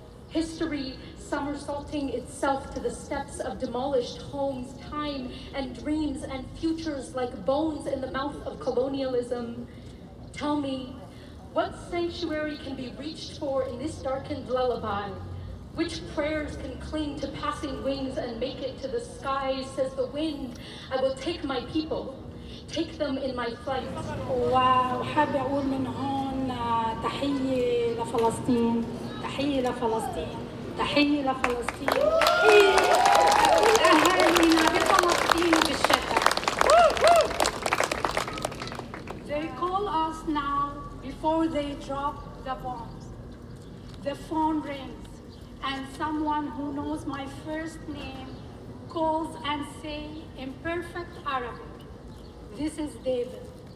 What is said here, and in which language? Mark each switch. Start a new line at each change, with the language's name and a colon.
English: History somersaulting itself to the steps of demolished homes, time and dreams and futures like bones in the mouth of colonialism. Tell me, what sanctuary can be reached for in this darkened lullaby? Which prayers can cling to passing wings and make it to the sky? Says the wind, I will take my people, take them in my flight.
Arabic: وحابة أقول من هون تحية لفلسطين, تحية لفلسطين, تحية لفلسطين, تحية لأهالينا بفلسطين بالشتاء.
English: They call us now before they drop the bombs. The phone rings. And someone who knows my first name calls and say in perfect Arabic, this is David.